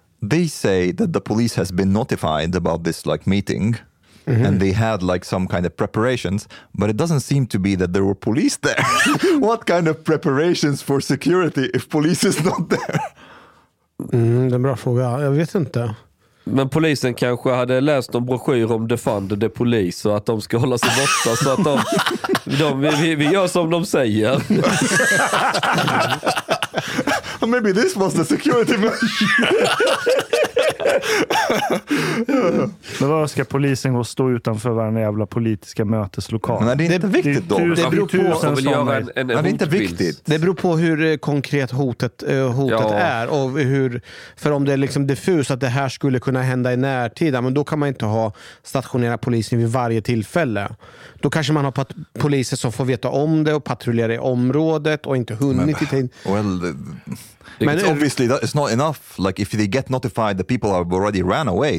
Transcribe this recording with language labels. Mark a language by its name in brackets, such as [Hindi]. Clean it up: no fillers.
[English] They say that the police has been notified about this like meeting. Mm-hmm. And they had like some kind of preparations, but it doesn't seem to be that there were police there. What kind of preparations for security if police is not there? [Swedish] Det är en bra fråga, jag vet inte. Men polisen kanske hade läst en broschyr om Defund the Police och att de ska hålla sig borta. Så att vi gör som de säger. [English] Maybe this was the security measure. [Swedish] Men vad ska polisen gå och stå utanför varje jävla politiska möteslokal? Men är det inte viktigt då? Det beror på är det inte viktigt? Det beror på hur konkret hotet är och hur, för om det är liksom diffus att det här skulle kunna hända i närtid, men då kan man inte ha stationera polisen vid varje tillfälle. Då kanske man har poliser som får veta om det och patrullera i området och inte hunnit men, [English] men it's obviously that it's not enough. Like if they get notified, the people have already ran away.